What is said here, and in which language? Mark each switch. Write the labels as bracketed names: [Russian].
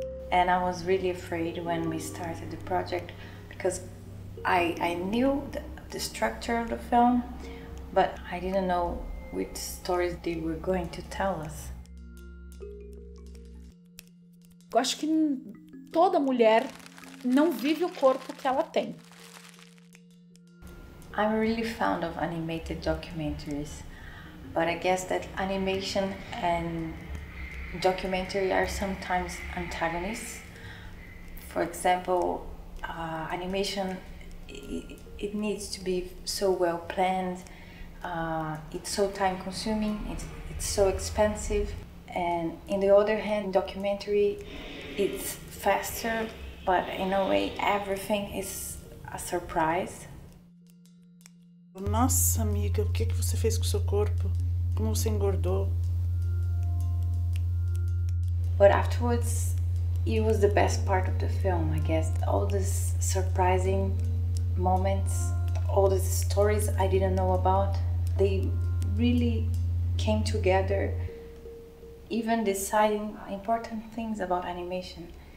[English] And I was really afraid when we started the project because I knew the structure of the film, but I didn't know which stories they were going to tell us. [Portuguese] Eu acho que toda mulher não vive o corpo que ela tem. [English] I'm really fond of animated documentaries, but I guess that animation and documentary are sometimes antagonists. For example, animation, it needs to be so well planned, it's so time consuming, it's so expensive. And on the other hand, documentary, it's faster, but in a way, everything is a surprise. [Portuguese] Nossa, amiga, o que você fez com o seu corpo? Como você engordou? [English] But afterwards, it was the best part of the film, I guess. All these surprising moments, all these stories I didn't know about, they really came together, even deciding important things about animation.